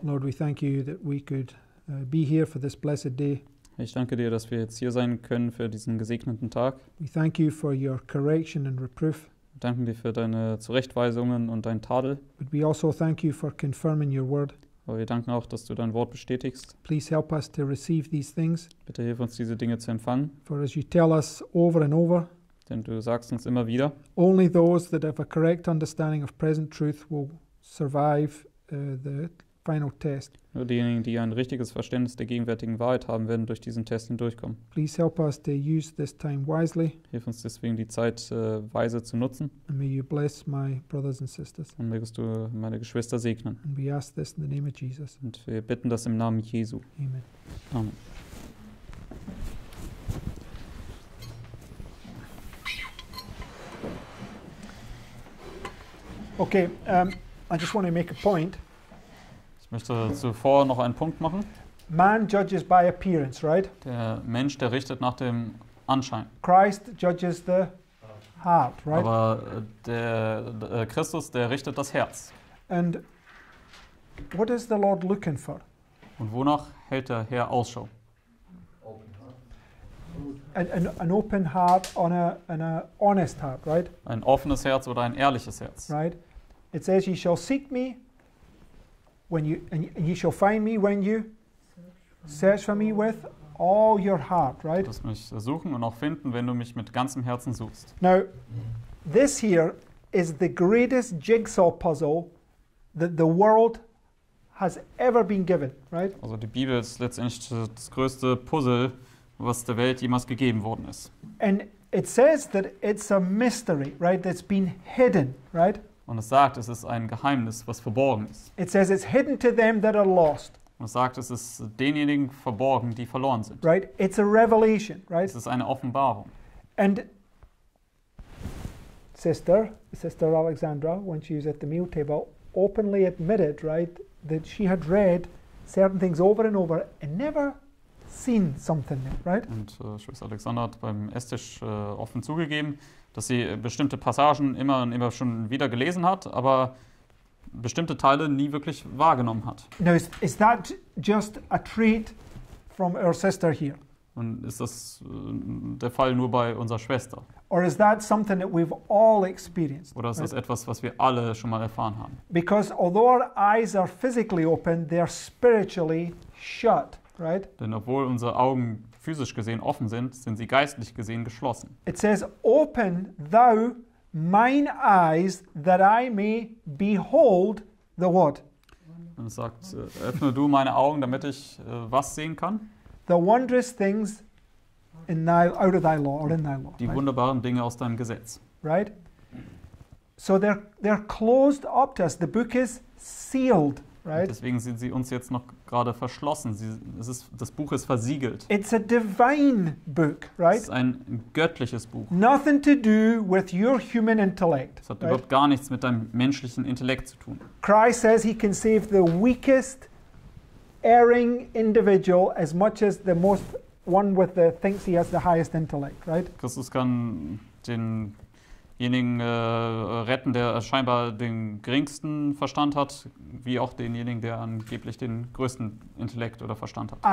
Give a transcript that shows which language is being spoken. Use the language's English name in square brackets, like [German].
[English] Lord, we thank you that we could be here for this blessed day. [German] Ich danke dir, dass wir jetzt hier sein können für diesen gesegneten Tag. [English] We thank you for your correction and reproof. [German] Wir danken dir für deine Zurechtweisungen und dein Tadel. [English] But we also thank you for confirming your word. [German] Aber wir danken auch, dass du dein Wort bestätigst. [English] Please help us to receive these things. [German] Bitte hilf uns, diese Dinge zu empfangen. [English] For as you tell us over and over, [German] denn du sagst uns immer wieder, [English] only those that have a correct understanding of present truth will survive the final test. [German] Nur diejenigen, die ein richtiges Verständnis der gegenwärtigen Wahrheit haben, werden durch diesen Test hindurchkommen. [English] Please help us to use this time wisely. [German] Hilf uns deswegen, die Zeit weise zu nutzen. [English] And may you bless my brothers and sisters. [German] Und mögest du meine Geschwister segnen. [English] And we ask this in the name of Jesus. [German] Und wir bitten das im Namen Jesu. [English] Amen. [German] Amen. [English] Okay, I just want to make a point. [German] Ich möchte zuvor noch einen Punkt machen. [English] Man judges by appearance, right? [German] Der Mensch, der richtet nach dem Anschein. [English] Christ judges the heart, right? [German] Aber der Christus, der richtet das Herz. [English] And what is the Lord looking for? [German] Und wonach hält der Herr Ausschau? [English] An open heart on an honest heart, right? [German] Ein offenes Herz oder ein ehrliches Herz. [English] Right? It says, "Ye shall seek me when you, and ye shall find me when you search for me with all your heart." Right? [German] Du wirst mich suchen und auch finden, wenn du mich mit ganzem Herzen suchst. [English] Now, this here is the greatest jigsaw puzzle that the world has ever been given. Right? [German] Also, die Bibel ist letztendlich das größte Puzzle, was der Welt jemals gegeben worden ist. [English] And it says that it's a mystery, right? That's been hidden, right? [German] Und es sagt, es ist ein Geheimnis, was verborgen ist. [English] It says it's hidden to them that are lost. [German] Und es sagt, es ist denjenigen verborgen, die verloren sind. [English] Right? It's a revelation, right? [German] Es ist eine Offenbarung. [English] And Sister Alexandra, when she was at the meal table, openly admitted, right, that she had read certain things over and over and never seen something, right? [German] Und Schwester Alexander hat beim Esstisch offen zugegeben, dass sie bestimmte Passagen immer und immer schon wieder gelesen hat, aber bestimmte Teile nie wirklich wahrgenommen hat. [English] Now is that just a trait from our sister here? [German] Und ist das der Fall nur bei unserer Schwester? [English] Or is that something that we've all experienced? [German] Oder ist das etwas, was wir alle schon mal erfahren haben? [English] Because although our eyes are physically open, they are spiritually shut. Right? [German] Denn obwohl unsere Augen physisch gesehen offen sind, sind sie geistlich gesehen geschlossen. [English] It says, "Open thou mine eyes, that I may behold the what?" [German] Und es sagt, öffne du meine Augen, damit ich was sehen kann? [English] The wondrous things in thy, out of thy law, or in thy law. [German] Die wunderbaren Dinge aus deinem Gesetz. [English] Right? So they're closed up to us. The book is sealed. Right? [German] Deswegen sind sie uns jetzt noch gerade verschlossen. Das Buch ist versiegelt. [English] It's a divine book, right? [German] Es ist ein göttliches Buch. [English] Nothing to do with your human intellect. [German] Es hat überhaupt gar nichts mit deinem menschlichen Intellekt zu tun. [English] Christ says he can save the weakest erring individual as much as the most one with the thinks he has the highest intellect, right? [German] Christus kann denjenigen retten, der scheinbar den geringsten Verstand hat, wie auch denjenigen, der angeblich den größten Intellekt oder Verstand hat.